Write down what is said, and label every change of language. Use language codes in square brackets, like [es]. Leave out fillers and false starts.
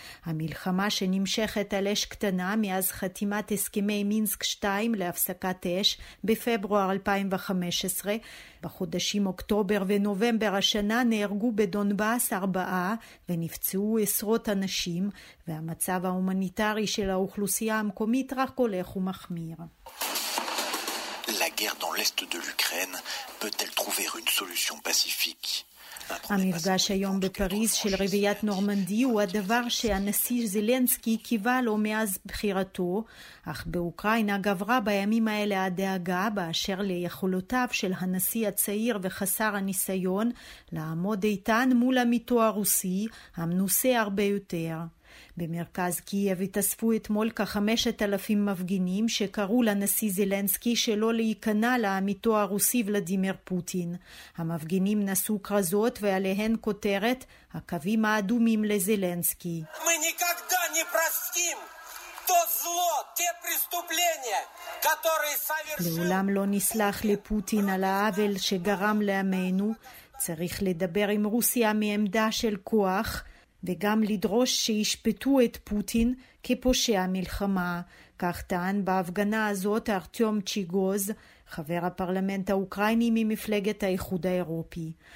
[he] המלחמה שנמשכת על אש קטנה מאז חתימת הסכמי מינסק 2 להפסקת אש בפברואר 2015. בחודשים אוקטובר ונובמבר השנה נהרגו בדונבאס 4 ונפצעו עשרות אנשים, והמצב ההומניטרי של האוכלוסייה המקומית רק הולך ומחמיר. [fr] La guerre dans l'est de l'Ukraine peut-elle trouver une solution pacifique? [he] המפגש היום בפריז של רביעיית נורמנדי הוא הדבר שהנשיא זלנסקי קיווה לו מאז בחירתו, אך באוקראינה גברה בימים האלה הדאגה באשר ליכולותיו של הנשיא הצעיר וחסר הניסיון לעמוד איתן מול עמיתו הרוסי המנוסה הרבה יותר. במרכז קייב התאספו אתמול כ-5,000 מפגינים שקראו לנשיא זלנסקי שלא להיכנע לעמיתו הרוסי ולדימיר פוטין. המפגינים נשאו כרזות ועליהן כותרת הקווים האדומים לזלנסקי. [ru] Мы никогда не простим то зло, те преступления, которые совершил. [he] לעולם לא נסלח לפוטין על העוול שגרם לעמנו. צריך לדבר עם רוסיה מעמדה של כוח וגם לדרוש שישפטו את פוטין כפושע מלחמה. כך טען בהפגנה הזאת ארטיום צ'יגוז, חבר הפרלמנט האוקראיני ממפלגת האיחוד האירופי.